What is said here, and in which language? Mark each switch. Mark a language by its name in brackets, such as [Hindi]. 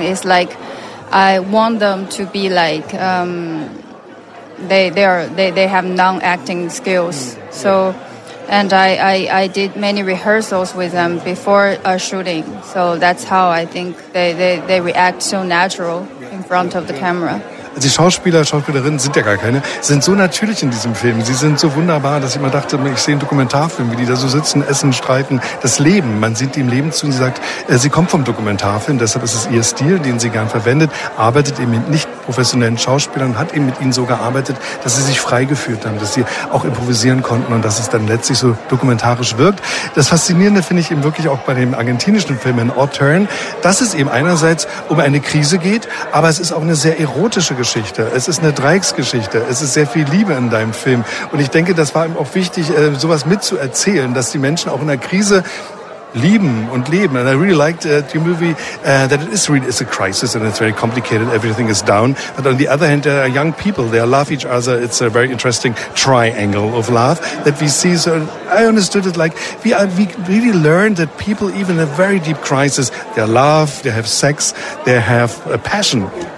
[English] It's like I want them to be like they have non-acting skills. So and I did many rehearsals with them before shooting, so that's how I think they react so natural in front of the camera. [German] Die Schauspieler, Schauspielerinnen sind ja gar keine, sind so natürlich in diesem Film. Sie sind so wunderbar, dass ich immer dachte, ich sehe einen Dokumentarfilm, wie die da so sitzen, essen, streiten. Das Leben, man sieht ihm Leben zu und sie sagt, sie kommt vom Dokumentarfilm, deshalb ist es ihr Stil, den sie gern verwendet, arbeitet eben mit nicht professionellen Schauspielern, hat eben mit ihnen so gearbeitet, dass sie sich frei gefühlt haben, dass sie auch improvisieren konnten und dass es dann letztlich so dokumentarisch wirkt. Das Faszinierende finde ich eben wirklich auch bei dem argentinischen Film An Odd Turn, dass es eben einerseits um eine Krise geht, aber es ist auch eine sehr erotische Geschichte. Es ist eine Dreiecksgeschichte. Es ist sehr viel Liebe in deinem Film. Und ich denke, das war ihm auch wichtig, sowas mitzuerzählen, dass die Menschen auch in der Krise lieben und leben. [English] And I really liked the movie that it is really, it's a crisis and it's very complicated. Everything is down. But on the other hand, there are young people. They love each other. It's a very interesting triangle of love that we see. So I understood it like we really learned that people, even in a very deep crisis, they love, they have sex, they have a passion.